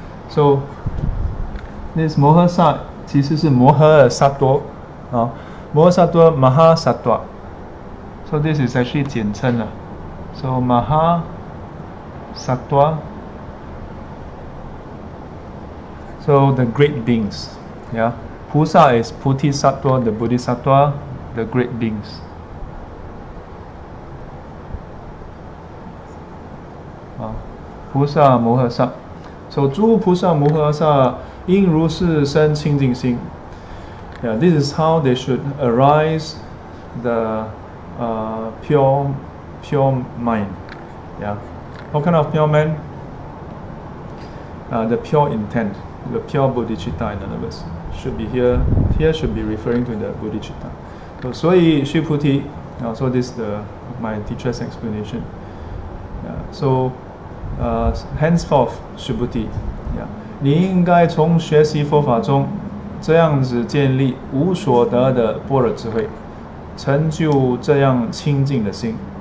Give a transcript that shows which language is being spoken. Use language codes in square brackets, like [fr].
[zh] So this 摩诃萨其实是摩诃萨多。摩诃萨多 [en] Maha Sattva。 So this is actually [zh] 简称了。 [en] So Maha Sattva. So the great beings. Yeah. 菩萨 is Bodhisattva, the Bodhisattva, the great beings. [zh] Pusa Mohasa. So 诸菩萨摩诃萨应如是生清净心。 [en] Yeah, this is how they should arise the pure mind. Yeah. What kind of pure mind? The pure intent, the pure bodhicitta in other words. Should be here should be referring to the bodhicitta. So [zh] 所以须菩提 [en] so this is my teacher's explanation. Yeah, so henceforth, [zh] 须菩提 你应该从学习佛法中这样子建立无所得的般若智慧，成就这样清净的心。